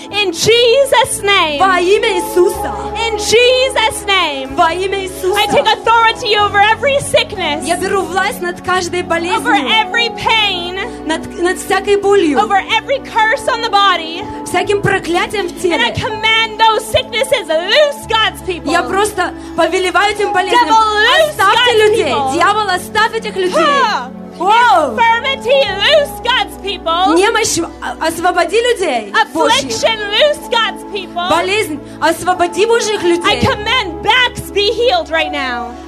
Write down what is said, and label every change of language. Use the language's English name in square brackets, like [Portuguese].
[English] In Jesus name. [Russian] Во имя Иисуса. [English] In Jesus name. [Russian] Во имя Иисуса. [English] I take authority over every sickness. [Russian] Я беру власть над каждой болезнью. [English] Over every pain. [Russian] Над всякой болью. [English] Over every curse on the body. [Russian] Всяким проклятием в теле. [English] And I command those sicknesses loose, God's people. [Russian] Я просто повелеваю этим болезням. Оставьте людей. Дьявол, оставь этих людей. [English] Infirmity, loose God's people. [Russian] Немощь, освободи людей. [English] Affliction, loose God's people. [Russian] Болезнь, освободи Божьих людей. [English] I command backs be healed right now.